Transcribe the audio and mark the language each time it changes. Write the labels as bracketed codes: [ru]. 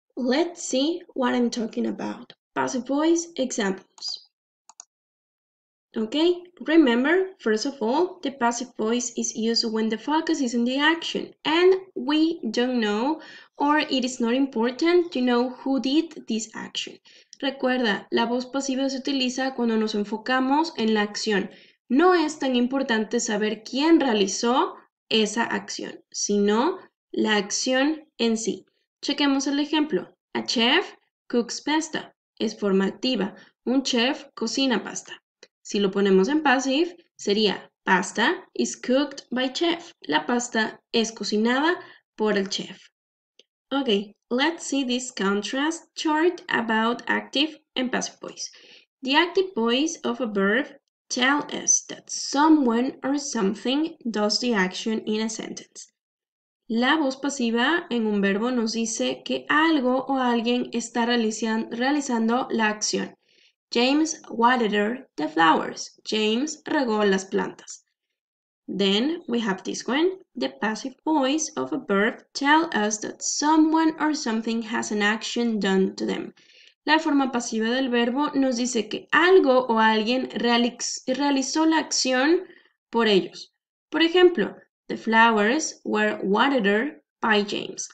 [en] Let's see what I'm talking about. Passive voice examples. Okay, remember, first of all, the passive voice is used when the focus is in the action and we don't know or it is not important to know who did this action. [es] Recuerda, la voz pasiva se utiliza cuando nos enfocamos en la acción. No es tan importante saber quién realizó esa acción, sino la acción en sí. Chequemos el ejemplo. [en] A chef cooks pasta. [es] Es forma activa. Un chef cocina pasta. Si lo ponemos en passive, sería [en] pasta is cooked by chef. [es] La pasta es cocinada por el chef. [en] Okay, let's see this contrast chart about active and passive voice. The active voice of a verb tells us that someone or something does the action in a sentence. [es] La voz pasiva en un verbo nos dice que algo o alguien está realizando la acción. [en] James watered the flowers. [es] James regó las plantas. [en] Then we have this one. The passive voice of a verb tells us that someone or something has an action done to them. [es] La forma pasiva del verbo nos dice que algo o alguien realizó la acción por ellos. Por ejemplo, [en] the flowers were watered by James.